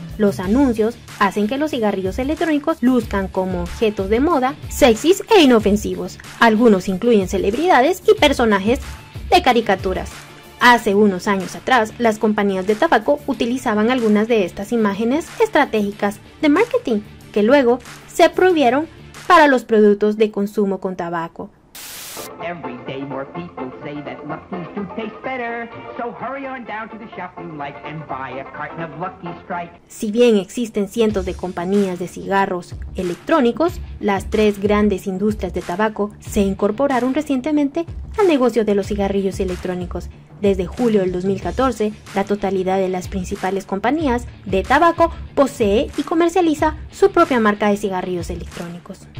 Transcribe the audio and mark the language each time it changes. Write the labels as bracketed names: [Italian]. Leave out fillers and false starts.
[Spanish] Los anuncios hacen que los cigarrillos electrónicos luzcan como objetos de moda, sexys e inofensivos. Algunos incluyen celebridades y personajes de caricaturas. Hace unos años atrás, las compañías de tabaco utilizaban algunas de estas imágenes estratégicas de marketing, que luego se prohibieron para los productos de consumo con tabaco. [English] Every day more people say that Lucky's do taste better, so hurry on down to the shop you like and buy a carton of Lucky Strike. [Spanish] Si bien existen cientos de compañías de cigarros electrónicos, las tres grandes industrias de tabaco se incorporaron recientemente al negocio de los cigarrillos electrónicos. Desde julio del 2014, la totalidad de las principales compañías de tabaco posee y comercializa su propia marca de cigarrillos electrónicos.